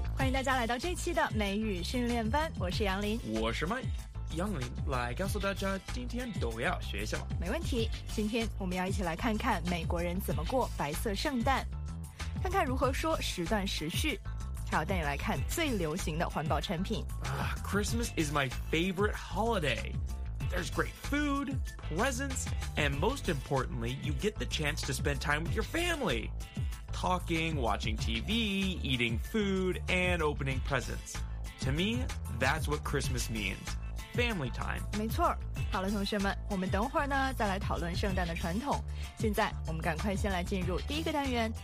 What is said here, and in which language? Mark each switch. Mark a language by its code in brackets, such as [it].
[zh] 大家来到这期的美语训练班，我是杨林，我是麦。杨林来告诉大家今天都要学什么。没问题，今天我们要一起来看看美国人怎么过白色圣诞，看看如何说时断时续，还要带你来看最流行的环保产品。 [en] Christmas is my favorite holiday. There's great food, presents, and most importantly, you get the chance to spend time with your family. Talking, watching TV, eating food, and opening presents. To me, that's what Christmas means. Family time. [zh] 没错。好了，同学们，我们等会儿呢再来讨论圣诞的传统。现在我们赶快先来进入第一个单元。